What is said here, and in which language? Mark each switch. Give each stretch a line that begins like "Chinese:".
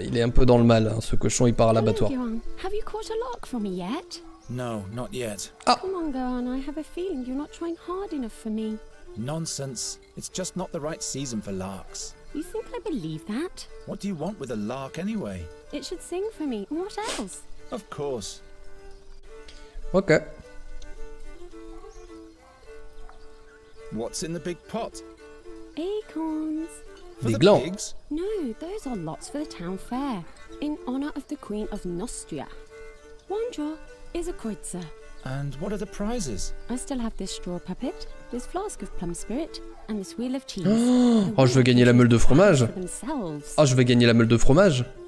French: Il est un peu dans le mal, hein, ce cochon, il part à l'abattoir.
English: Have you caught a lock for me yet? No, not yet. Ah. Come on, Gohan, I have a feeling you're not trying hard enough for me. Nonsense. It's just not the right season for larks. You think I believe that? What do you want with a lark anyway? It should sing for me. What else? Of course. Okay. What's in the big pot? Acorns. For the pigs? No, those are lots for the town fair. In honor of the Queen of Nostria. One draw is a kreutzer. And what are the prizes? I still have this straw puppet, this flask of plum spirit, and this wheel of cheese.
French: Oh, je veux gagner la meule de fromage. Oh, je veux gagner la meule de fromage.